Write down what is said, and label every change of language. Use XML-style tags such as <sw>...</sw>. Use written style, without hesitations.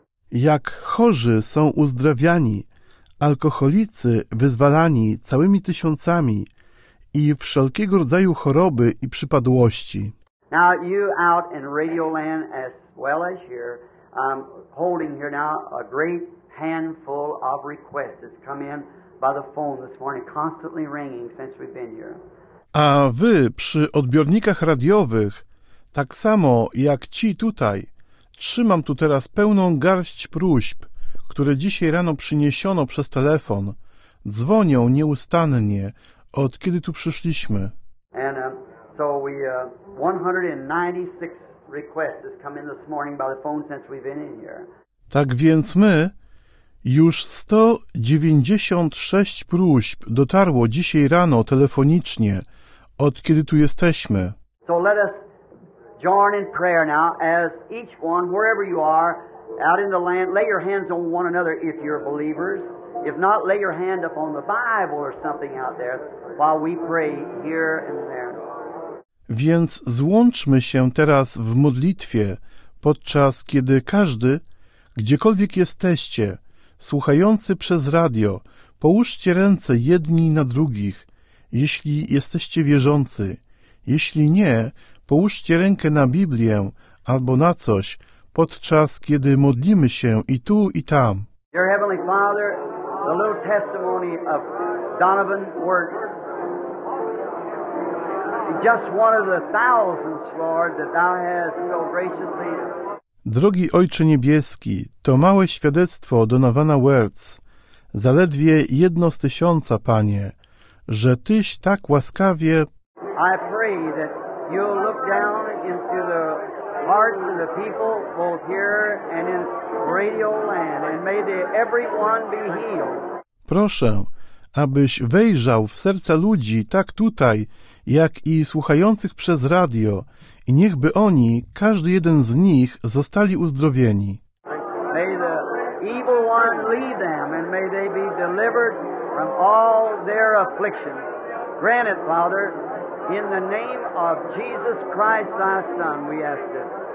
<pl>Jak chorzy są uzdrawiani, alkoholicy wyzwalani całymi tysiącami i wszelkiego rodzaju choroby i przypadłości.</pl> <en>Now you out in Radioland as well as here, holding here now a great handful of requests that's come in by the phone this morning, constantly ringing since we've been here.</en> <pl>A wy przy odbiornikach radiowych, tak samo jak ci tutaj, trzymam tu teraz pełną garść próśb, które dzisiaj rano przyniesiono przez telefon, dzwonią nieustannie, od kiedy tu przyszliśmy.</pl> <en>And, so we 196 requests has come in this morning by the phone since we've been in here.</en> <pl>Tak więc my już 196 próśb dotarło dzisiaj rano telefonicznie od kiedy tu jesteśmy.</pl> <en>So let us join in prayer now as each one wherever you are out in the land lay your hands on one another if you're believers. If not lay your hand up on the Bible or something out there while we pray here and there.</en> <pl>Więc złączmy się teraz w modlitwie, podczas kiedy każdy, gdziekolwiek jesteście, słuchający przez radio, połóżcie ręce jedni na drugich, jeśli jesteście wierzący. Jeśli nie, połóżcie rękę na Biblię albo na coś, podczas kiedy modlimy się i tu, i tam.</pl> <en>Dear Heavenly Father, the little testimony of Donovan works. Just one of the thousands, Lord, that thou hast so graciously.</en> <pl>Drogi Ojcze Niebieski, to małe świadectwo Donovana Wertz, zaledwie jedno z tysiąca, Panie, że Tyś tak łaskawie.</pl> <en>I pray that you'll look down into the hearts of the people, both here and in Radio Land, and may they everyone be healed.</en> <pl>Proszę, abyś wejrzał w serca ludzi tak tutaj, jak i słuchających przez radio, i niechby oni, każdy jeden z nich, zostali uzdrowieni.</pl> <en>May the evil one lead them, and may they be delivered from all their afflictions. Grant it, Father, in the name of Jesus Christ, thy Son, we ask it.</en>